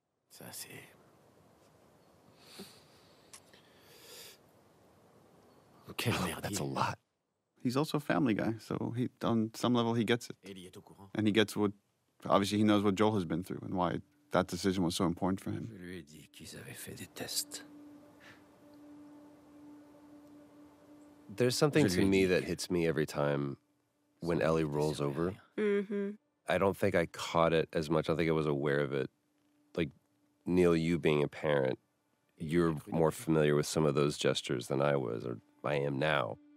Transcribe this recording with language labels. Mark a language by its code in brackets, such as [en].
[fr] Ça c'est... Quelle merde. [en] That's a lot. He's also a family guy, so he, on some level, he gets it. And he gets what, obviously, he knows what Joel has been through and why that decision was so important for him. [fr] Je lui ai dit qu'ils avaient fait des tests. [en] There's something to me that hits me every time when Ellie rolls over. Mm-hmm. I don't think I caught it as much. I think I was aware of it. Like, Neil, you being a parent, you're more familiar with some of those gestures than I was, or I am now.